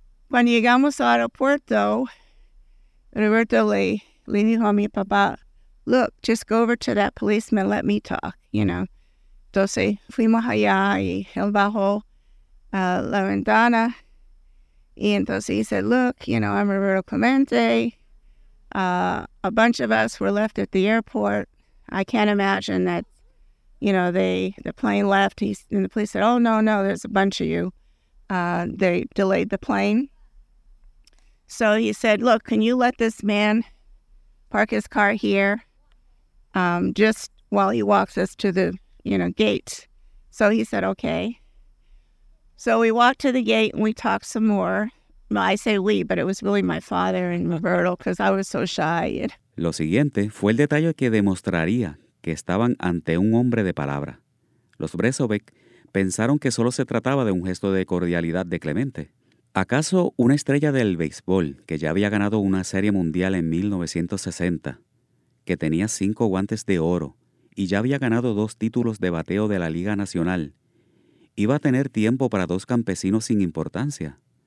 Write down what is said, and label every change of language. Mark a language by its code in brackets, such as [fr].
[es] Cuando llegamos al aeropuerto, Roberto le dijo a mi papá, [en] look, just go over to that policeman, let me talk, you know. [es] Entonces fuimos allá y él bajó la ventana. Y entonces [en] he said, look, you know, I'm Roberto Clemente. A bunch of us were left at the airport. I can't imagine that, you know, the plane left. And the police said, oh, no, there's a bunch of you. They delayed the plane. So he said, look, can you let this man park his car here just while he walks us to the, you know, gate? So he said, okay. So we walked to the gate and we talked some more. I say we, but it was really my father and Roberto because I was so shy. [es] Lo siguiente fue el detalle que demostraría que estaban ante un hombre de palabra. Los Brezovic pensaron que solo se trataba de un gesto de cordialidad de Clemente. ¿Acaso una estrella del béisbol que ya había ganado una serie mundial en 1960, que tenía 5 guantes de oro y ya había ganado 2 títulos de bateo de la Liga Nacional, iba a tener tiempo para 2 campesinos sin importancia?